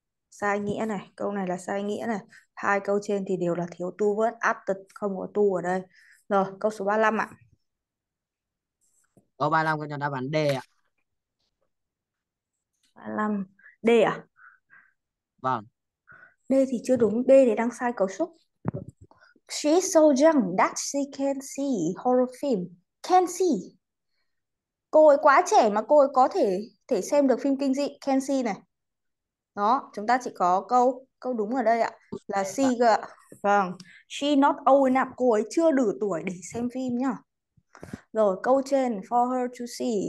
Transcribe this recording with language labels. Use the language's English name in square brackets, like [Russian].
[Vietnamese] Sai nghĩa này, câu này là sai nghĩa này. Hai câu trên thì đều là thiếu to verb absent, không có to ở đây. Rồi, câu số 35 ạ. Có 35 con cho đáp án D ạ. 35 D Vâng. à? D thì chưa đúng, D thì đang sai cấu trúc. [English] She's so young that she can see horror film. Can see. [Vietnamese] Cô ấy quá trẻ mà cô ấy có thể thể xem được phim kinh dị. [English] Can see [Vietnamese] này. Đó, chúng ta chỉ có câu câu đúng ở đây ạ. Là Vâng. [English] see [Vietnamese] cơ ạ. Vâng. [English] She not old enough. [Vietnamese] Cô ấy chưa đủ tuổi để xem phim nhá. Rồi, câu trên. [English] For her to see.